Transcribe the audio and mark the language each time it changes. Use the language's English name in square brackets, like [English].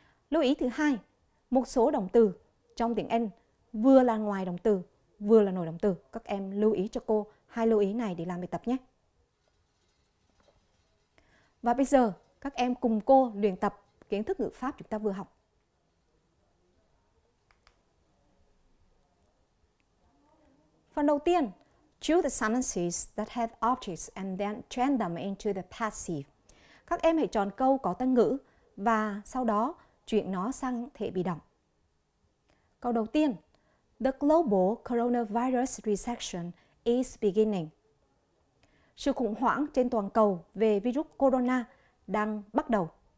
[Vietnamese] Lưu ý thứ hai, một số động từ trong tiếng Anh vừa là ngoài động từ, vừa là nội động từ. Các em lưu ý cho cô hai lưu ý này để làm bài tập nhé. Và bây giờ các em cùng cô luyện tập kiến thức ngữ pháp chúng ta vừa học. Phần đầu tiên, [English] choose the sentences that have objects and then turn them into the passive. [Vietnamese] Các em hãy chọn câu có tân ngữ và sau đó chuyển nó sang thể bị động. Câu đầu tiên, [English] the global coronavirus recession is beginning. [Vietnamese] Sự khủng hoảng trên toàn cầu về virus corona đang bắt đầu.